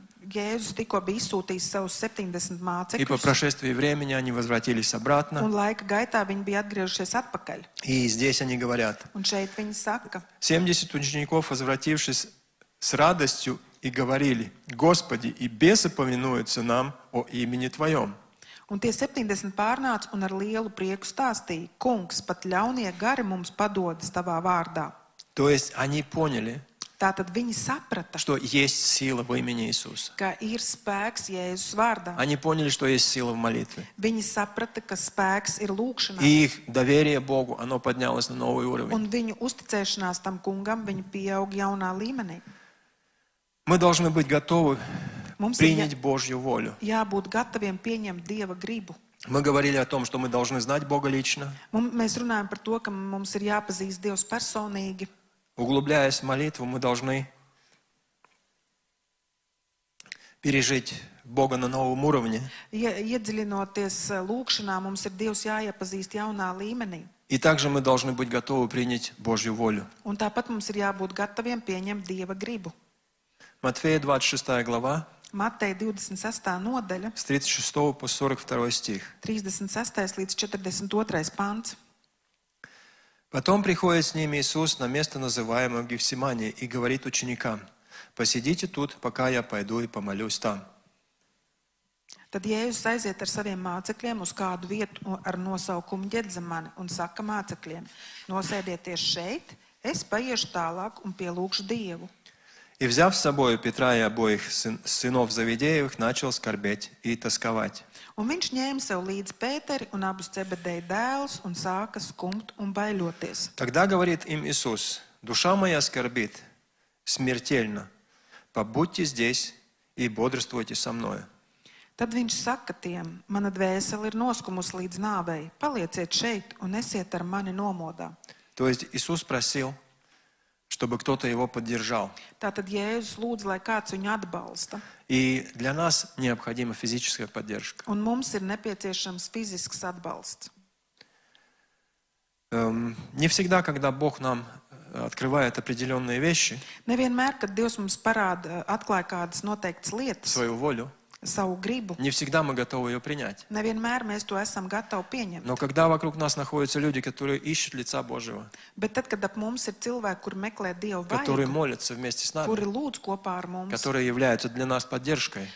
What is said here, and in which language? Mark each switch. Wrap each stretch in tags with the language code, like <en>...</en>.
<lv>Jēzus tikko bija izsūtījis savus 70 mācekļus.</lv> <ru>И по прошествии времени они возвратились обратно.</ru> <lv>Un laika gaitā viņi bija atgriežušies atpakaļ.</lv> <ru>И здесь они говорят.</ru> <lv>Un šeit viņi saka.</lv> <ru>70 учеников, возвратившись с радостью, и говорили: Господи, и бесы повинуются нам о имени Твоем.</ru> <lv>Un tie 70 pārnāca un ar lielu prieku stāstīja: Kungs, pat ļaunie gari mums padodas Tavā vārdā.</lv> <ru>То есть они поняли.</ru> <lv>Tātad viņi saprata,</lv> <ru>что есть сила во имени Иисуса.</ru> <lv>Ka ir spēks Jēzus vārdā.</lv> <ru>Они поняли, что есть сила в молитве.</ru> <lv>Viņi saprata, ka spēks ir lūkšanā.</lv> <ru>И их доверие Богу, оно поднялось на новый уровень.</ru> <lv>Un viņu uzticēšanās tam kungam, viņi pieauga jaunā līmenī.</lv> <ru>Мы должны быть готовы принять Божью волю.</ru> <lv>Jābūt gataviem pieņemt Dieva gribu.</lv> <ru>Мы говорили о том, что мы должны знать Бога лично.</ru> <lv>Mēs runājam par to, ka mums ir jāpazīst Dievs personīgi.</lv> <ru>Углубляясь в молитву, мы должны пережить Бога на новом уровне.</ru> <lv>Iedziļinoties lūkšanā, mums ir Dievs jāiepazīst jaunā līmenī.</lv> <ru>И также мы должны быть готовы принять Божью волю.</ru> <lv>Un tāpat mums ir jābūt gataviem pieņemt Dieva gribu.</lv> <ru>Matfeja 26. glavā.</ru> <lv>Mateja 26. nodaļa.</lv> <ru>36. po 42. stih.</ru> <lv>36. līdz 42. pants.</lv> <ru>Потом приходит с ними Иисус на место, называемое Гефсимании, и говорит ученикам: «Посидите тут, пока я пойду и помолюсь там».</ru> <lv>Tad Jēzus aiziet ar saviem mācekļiem uz kādu vietu ar nosaukumu Gedzemani un saka mācekļiem: «Nosēdieties šeit, es paiešu tālāk un pielūkšu Dievu».</lv> <ru>И взяв с собой Петра и обоих сынов Завидеевых, начал скорбеть и тосковать.</ru> <lv>Un viņš ņēma sev līdz Pēteri un abus Cebedeja dēls un sāka skumt un baiļoties.</lv> <ru>Тогда говорит им Иисус: «Душа моя скорбит смертельно, побудьте здесь и бодрствуйте со мною».</ru> <lv>Tad viņš saka tiem: «Mana dvēsele ir noskumusi līdz nāvei, palieciet šeit un esiet ar mani nomodā».</lv> <ru>То есть Иисус просил, чтобы кто-то его поддержал.</ru> <lv>Tātad Jēzus lūdz, lai kāds viņu atbalsta.</lv> <ru>И для нас необходима физическая поддержка.</ru> <lv>Un mums ir nepieciešams fizisks atbalsts.</lv> <ru>Не всегда, когда Бог нам открывает определенные вещи,</ru> <lv>nevienmēr, kad Dievs mums parāda, atklāja kādas noteiktas lietas,</lv> <ru>свою волю,</ru> <lv>savu gribu,</lv> <ru>не всегда мы готовы ее принять.</ru> <lv>Nevienmēr mēs to esam gatavi pieņemt.</lv> <ru>Но когда вокруг нас находятся люди, которые ищут лица Божьего,</ru> <lv>bet tad, kad ap mums ir cilvēki, kuri meklē Dievu vaidu,</lv> <ru>которые молятся вместе с нами,</ru> <lv>kuri lūdz kopā ar mums,</lv> <ru>которые являются для нас поддержкой,</ru>